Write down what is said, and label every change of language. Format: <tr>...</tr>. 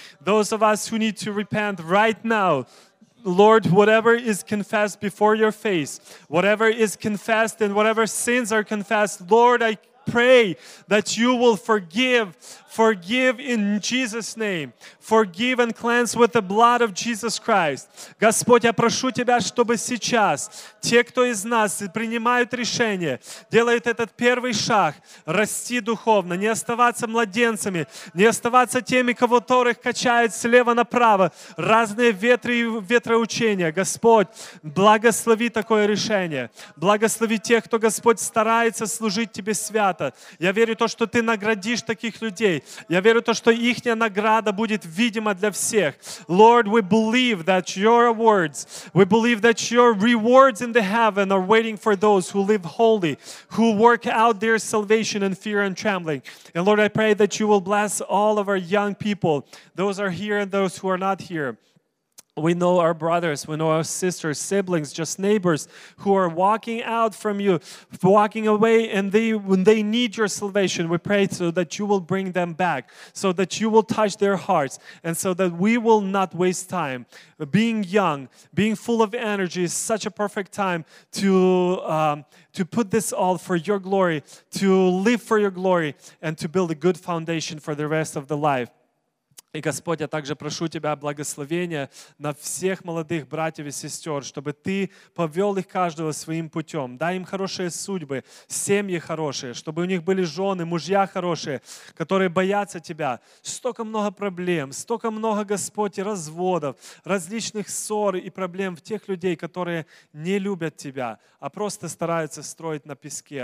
<en>Those of us who need to repent right now, Lord, whatever is confessed before your face, whatever is confessed and whatever sins are confessed, Lord, I pray that you will forgive. Forgive in Jesus' name. Forgive and cleanse with the blood of Jesus Christ.</en> <ru>Господь, я прошу Тебя, чтобы сейчас те, кто из нас принимают решение, делают этот первый шаг, расти духовно, не оставаться младенцами, не оставаться теми, которых качают слева направо, разные ветры и ветроучения. Господь, благослови такое решение. Благослови тех, кто, Господь, старается служить Тебе свято. Я верю в то, что Ты наградишь таких людей. Я верю в то, что ихняя награда будет видима для всех.</ru> <en>Lord, we believe that your words, we believe that your rewards in the heaven are waiting for those who live holy, who work out their salvation in fear and trembling. And Lord, I pray that you will bless all of our young people, those are here and those who are not here. We know our brothers, we know our sisters, siblings, just neighbors who are walking out from you, walking away, and they need your salvation. We pray so that you will bring them back, so that you will touch their hearts, and so that we will not waste time. Being young, being full of energy is such a perfect time to put this all for your glory, to live for your glory, and to build a good foundation for the rest of the life.</en> <ru>И, Господь, я также прошу Тебя благословения на всех молодых братьев и сестер, чтобы Ты повел их каждого своим путем. Дай им хорошие судьбы, семьи хорошие, чтобы у них были жены, мужья хорошие, которые боятся Тебя. Столько много проблем, столько много, Господь, и разводов, различных ссор и проблем в тех людей, которые не любят Тебя, а просто стараются строить на песке.</ru>